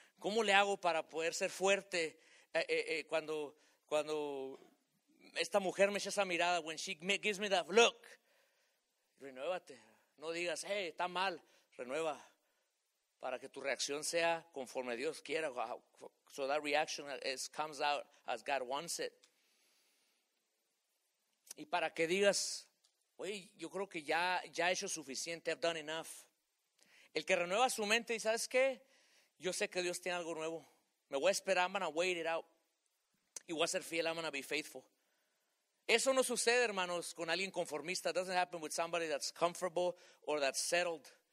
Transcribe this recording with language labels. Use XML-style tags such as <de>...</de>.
<es>¿Cómo le hago para poder ser fuerte cuando esta mujer me echa esa mirada?</es> <en>When she gives me that look,</en> <es>renuévate. No digas, hey, está mal. Renueva para que tu reacción sea conforme Dios quiera.</es> <en>So that reaction comes out as God wants it.</en> <es>Y para que digas, oye, yo creo que ya he hecho suficiente,</es> <en>I've done enough.</en> <es>El que renueva su mente y ¿sabes qué? Yo sé que Dios tiene algo nuevo. Me voy a esperar,</es> <en>I'm going to wait it out.</en> <es>Y voy a ser fiel,</es> <en>I'm going to be faithful.</en> <es>Eso no sucede, hermanos, con alguien conformista.</es> <en>It doesn't happen with somebody that's comfortable or that's settled.</en>